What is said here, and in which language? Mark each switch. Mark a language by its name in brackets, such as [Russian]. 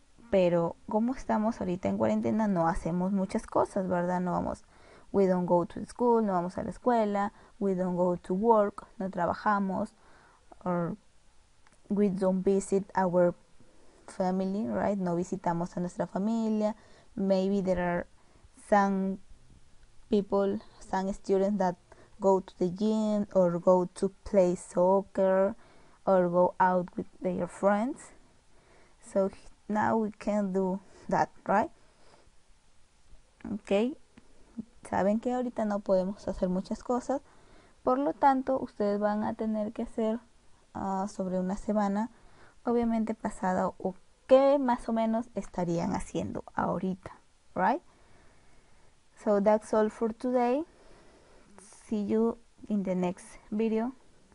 [Spanish] Pero como estamos ahorita en cuarentena, no hacemos muchas cosas, ¿verdad? No vamos, [English] we don't go to school, [Spanish] no vamos a la escuela, [English] we don't go to work, [Spanish] no trabajamos, [English] or we don't visit our family, right? [Spanish] No visitamos a nuestra familia. [English] Maybe there are some people, some students that go to the gym or go to play soccer or go out with their friends. So now we can do that, right? Okay. [Spanish] Saben que ahorita no podemos hacer muchas cosas. Por lo tanto, ustedes van a tener que hacer sobre una semana, obviamente pasada o ¿qué más o menos estarían haciendo ahorita? [English] Right? So that's all for today. See you in the next video.